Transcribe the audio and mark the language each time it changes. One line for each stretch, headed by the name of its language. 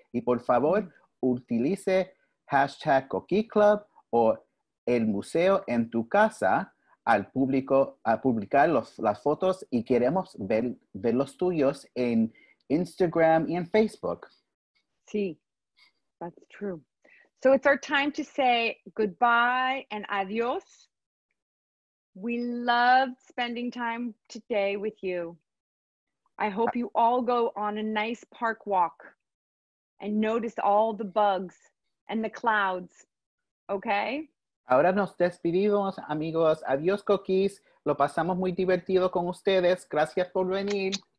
Spanish: Y por favor, utilice hashtag Coqui Club o El Museo en tu casa al público, a publicar las fotos y queremos ver los tuyos en Instagram y en Facebook.
English: Sí, that's true. So it's our time to say goodbye and adios. We loved spending time today with you. I hope you all go on a nice park walk and notice all the bugs and the clouds, okay?
Spanish: Ahora nos despedimos, amigos. Adios, coquís. Lo pasamos muy divertido con ustedes. Gracias por venir.